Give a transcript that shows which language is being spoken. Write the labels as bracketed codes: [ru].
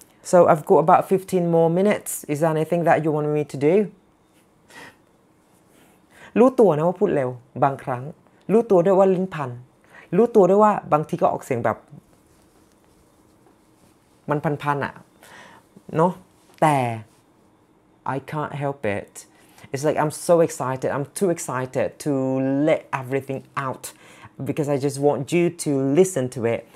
[en] So I've got about 15 more minutes. Is there anything that you want me to do? [th] รู้ตัวนะว่าพูดเร็วบางครั้งรู้ตัวด้วยว่าลิ้นพันรู้ตัวด้วยว่าบางทีก็ออกเสียงแบบมันพันๆอ่ะเนาะแต่ [en] I can't help it. It's like I'm so excited. I'm too excited to let everything out because I just want you to listen to it.